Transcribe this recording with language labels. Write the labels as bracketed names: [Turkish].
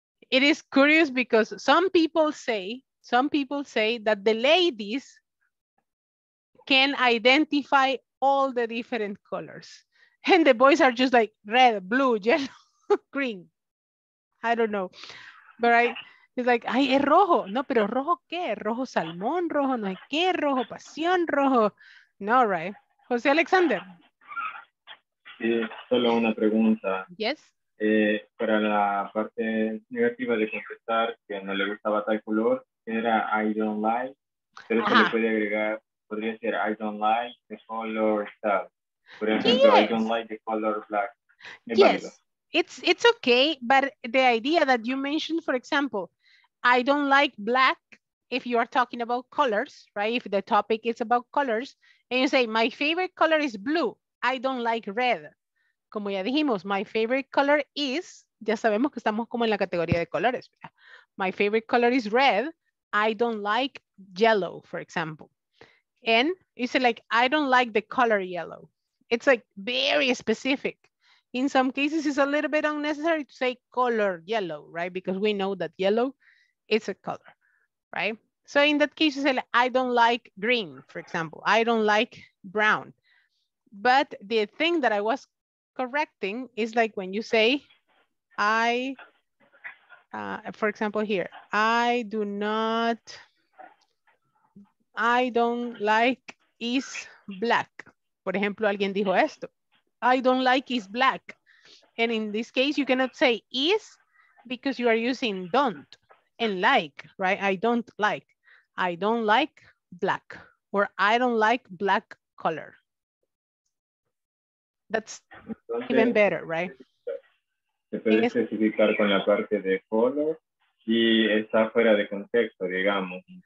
[English] It is curious because some people say that the ladies can identify all the different colors. And the boys are just like red, blue, yellow, green. I don't know. But right. It's like, [Spanish] ay, es rojo. No, pero rojo qué? Rojo salmón, rojo no hay qué, rojo pasión, rojo. [English] No, right. José Alexander. [Spanish] Sí, solo una pregunta. [English] Yes. [Spanish] Para la parte negativa de contestar que no le gustaba tal color, era [English] I don't like. [Spanish] Pero eso le puede agregar, podría ser [English] I don't like the color [Spanish] tal. Por ejemplo, [English] yes. I don't like the color black. [Spanish] Es yes. Válido. [English] It's okay, but the idea that you mentioned, for example, I don't like black, if you are talking about colors, right? If the topic is about colors, And you say, my favorite color is blue. I don't like red. [Spanish] Como ya dijimos, [English] my favorite color is, [Spanish] ya sabemos que estamos como en la categoría de colores. [English] My favorite color is red. I don't like yellow, for example. And you say like, I don't like the color yellow. It's like very specific. In some cases, it's a little bit unnecessary to say color yellow, right? Because we know that yellow is a color, right? So in that case, you say, like, I don't like green, for example. I don't like brown. But the thing that I was correcting is like when you say, for example, here, I don't like is black. [Spanish] Por ejemplo, alguien dijo esto. [English] I don't like is black. And in this case, you cannot say is because you are using don't and like, right? I don't like black, or I don't like black color. That's entonces, even better, right? [Spanish] Se puede especificar con la parte de color y está fuera de contexto, digamos.